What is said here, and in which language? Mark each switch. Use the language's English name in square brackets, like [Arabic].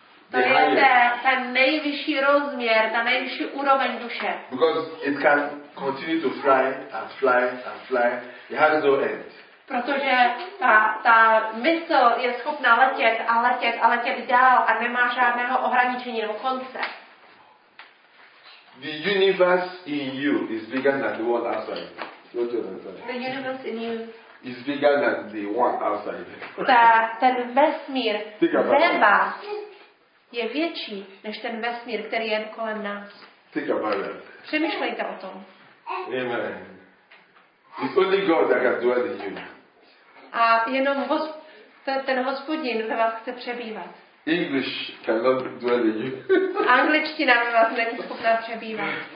[Czech] To je ten nejvyšší rozměr, ta nejvyšší úroveň duše. [English] Because it can continue to fly and fly and fly. It has no end. [Czech] Protože ta mysl je schopná letět a letět a letět dál a nemá žádného ohraničení nebo konce. [English] The universe in you is bigger than the one outside. The universe in you is bigger than the one outside. [Czech] Ten vesmír zemba je větší než ten vesmír, který je kolem nás. [English] Think about that. [Czech] Přemýšlejte o tom. [English] Amen. It's only God that can dwell in you. [Czech] A jenom ten Hospodin ve vás chce přebývat. [English] English cannot dwell in you. [Czech] Angličtina ve vás není schopná přebývat.